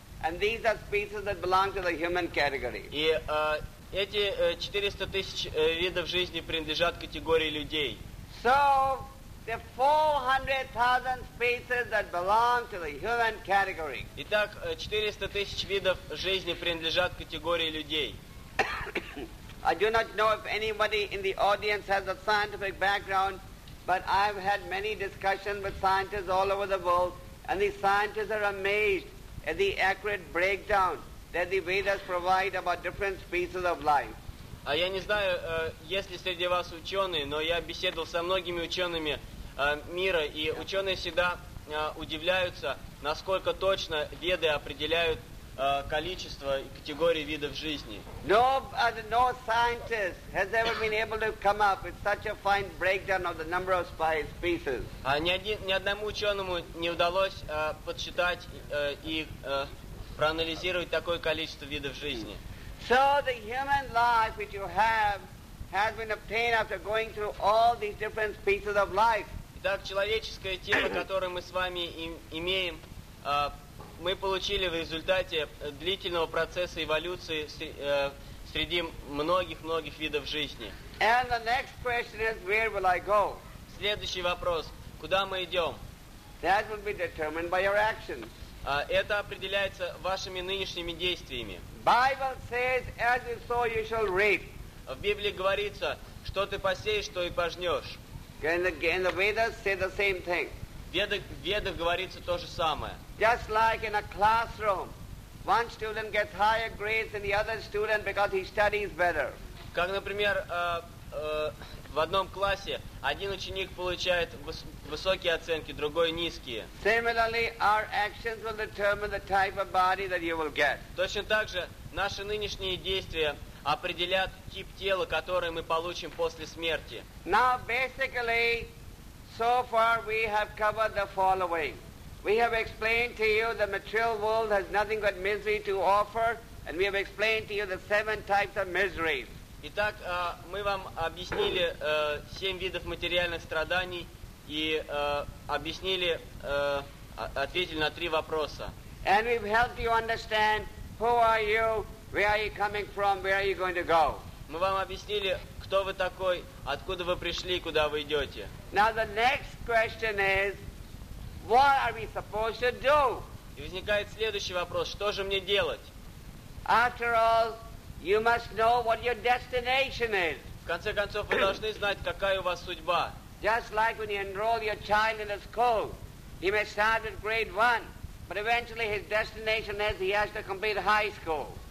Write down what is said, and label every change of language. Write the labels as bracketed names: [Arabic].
[English] And these are species that belong to the human category. [Russian] И эти 400,000 видов жизни принадлежат категории людей. [English] So the 400,000 species that belong to the human category. [Russian] Итак, 400,000 видов жизни принадлежат категории людей. [English] I do not know if anybody in the audience has a scientific background, but I've had many discussions with scientists all over the world, and the scientists are amazed at the accurate breakdown that the Vedas provide about different species of life. [Russian] А я не знаю, есть ли среди вас ученые, но я беседовал со многими учеными мира, и ученые всегда удивляются, насколько точно Веды определяют количество и категории видов жизни. [English] No scientist has ever been able to come up with such a fine breakdown of the number of species. [Russian] Ни одному ученому не удалось подсчитать и проанализировать такое количество видов жизни. [English] So the human life which you have has been obtained after going through all these different species of life. [Russian] Итак, человеческое тело, которое мы с вами имеем, мы получили в результате длительного процесса эволюции среди многих-многих видов жизни. [English] And the next question is, where will I go? [Russian] Следующий вопрос. Куда мы идем? [English] That will be determined by your actions. [Russian] Это определяется вашими нынешними действиями. [English] Bible says, as you sow, you shall reap. [Russian] В Библии говорится, что ты посеешь, то и пожнешь. [English] And the Vedas say the same thing. [Russian] Ведах говорится то же самое. [English] Just like in a classroom, one student gets higher grades than the other student because he studies better. [Russian] Как, например, в одном классе один ученик получает высокие оценки, другой низкие. [English] Similarly, our actions will determine the type of body that you will get. [Russian] Точно так же наши нынешние действия определят тип тела, который мы получим после смерти. [English] Now, basically, so far we have covered the following. We have explained to you the material world has nothing but misery to offer, and we have explained to you the 7 types of miseries. [Russian] Итак, мы вам объяснили 7 видов материальных страданий и объяснили, ответили на 3 вопроса. [English] And we've helped you understand Who are you? Where are you coming from? Where are you going to go? [Russian] Мы вам объяснили, кто вы такой, откуда вы пришли, куда вы идете. [English] Now the next question is, what are we supposed to do? [Russian] И возникает следующий вопрос: что же мне делать? [English] After all, you must know what your destination is. [Russian] В конце концов, вы должны знать, какая у вас судьба. [English] Just like when you enroll your child in a school, he may start at grade one, but eventually his destination is he has to complete high school.